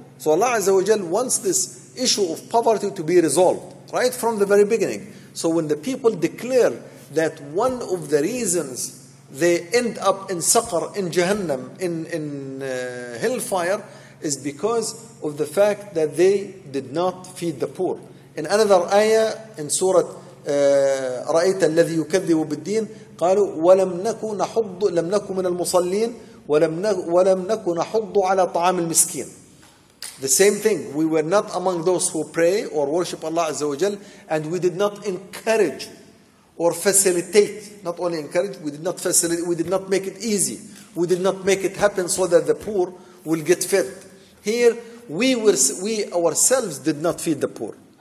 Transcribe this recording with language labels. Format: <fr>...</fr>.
<en>So Allah Azza wa Jal wants this issue of poverty to be resolved right from the very beginning. So when the people declare that one of the reasons they end up in Saqar, in Jahannam, in hellfire, is because of the fact that they did not feed the poor. In another ayah, in Surah</en> <ar>رأيت الذي يكذب بالدين قالوا ولم نكن نحض لم نكن من المصلين ولم نكن نحض على طعام المسكين.</ar> <en>The same thing, we were not among those who pray or worship Allah Azza wa Jal, and we did not encourage or facilitate, not only encourage, we did not facilitate, we did not make it easy, we did not make it happen so that the poor will get fed. Here we ourselves did not feed the poor.</en>